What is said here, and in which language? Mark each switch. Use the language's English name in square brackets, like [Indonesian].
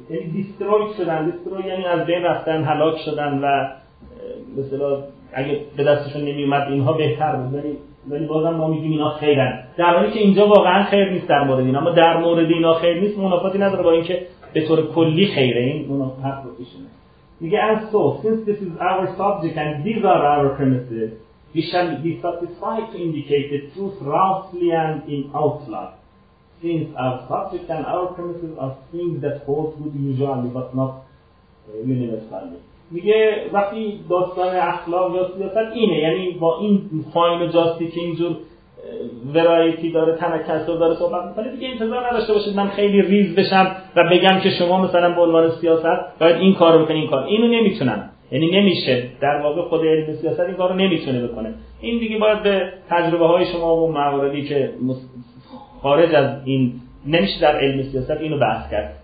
[Persian] یعنی destroyed شدن، destroyed یعنی از بین رفتن، هلاک شدن و مثلا اگه به دستشون نمی اومد اینها بهتر بود، ولی بازم ما میگیم اینا خیرن، در حالی که اینجا واقعا خیر نیست در مورد اینا، اما در مورد اینا خیر نیست، منافاتی نداره با اینکه به طور کلی خیره، این منافات رو پیشونه. میگه [English] as so, since this is our subject and these are our premises, we shall be satisfied to indicate the truth roughly and in outline. Since our subject and our premises are things that hold good usually but not universally. [Persian] میگه وقتی داستان اخلاق یا سیاست اینه، یعنی با این فاین و جاستی که اینجور ورایتی داره، تنکسر داره صحبت میکنه، دیگه انتظار نداشته باشید من خیلی ریز بشم و بگم که شما مثلا به عنوان سیاست باید این کار رو بکنید، این کار اینو نمیتونم، یعنی نمیشه در واقع خود علم سیاست این کارو نمیتونه بکنه، این دیگه باید به تجربه های شما و مواردی که خارج از این نمیشه در علم سیاست اینو بحث کرد.